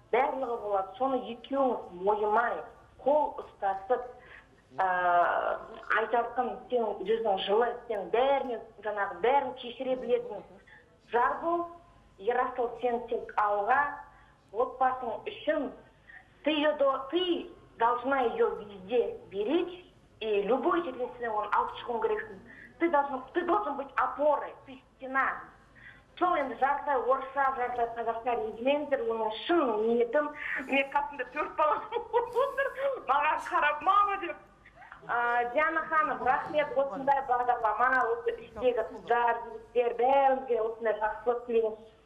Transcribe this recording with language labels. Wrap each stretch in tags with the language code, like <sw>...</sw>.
<kk>Барлығы болады, соны екеуіңіз мойымай, қол ұстасып, Айжарқын, сен жүзің жылы, сен бәрін кешіре білетін жар бол. Ерасыл, сен тек алға, отбасың үшін,</kk> <ru>ты должна ее везде беречь, и любой</ru> <kk>жерден сен оны алып шығуың керексің.</kk> <ru>Ты должен быть опорой, ты стена.</ru> <kk>Сол енді жартылай орысша, жартылай қазақша резюмендер, оның шын ниетім. Мен қасымда 4 балам отыр, маған қарап, мама деп. Диана ханым, рахмет, осындай бағдарлама, осы іштегі қыздар, жігіттер, бәрімізге осындай жақсылық тілеймін.</kk>